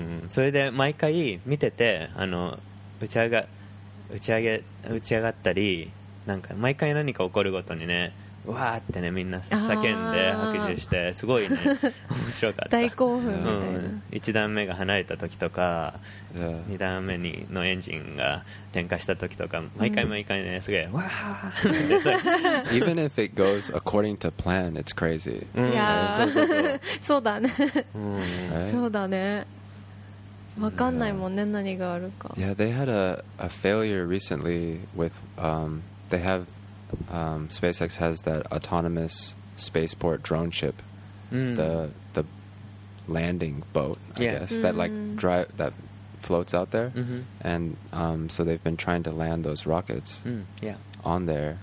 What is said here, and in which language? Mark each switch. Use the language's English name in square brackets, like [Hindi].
[Japanese] それで毎回見てて、あの打ち上がったり、なんか毎回何か起こるごとにね、わーってねみんな叫んで拍手して、すごいね面白かった。大興奮みたいな。一段目が離れた時とか、二段目にのエンジンが点火した時とか、毎回毎回ねすげえわーって。 [English] Even if it goes according to plan, it's crazy. Yeah. [Japanese] そうだね。そうだね。わかんないもんね、何があるか。 [English] Yeah, they had a failure recently with they have. SpaceX has that autonomous spaceport drone ship, the landing boat, I guess, that like drive that floats out there, and so they've been trying to land those rockets, on there.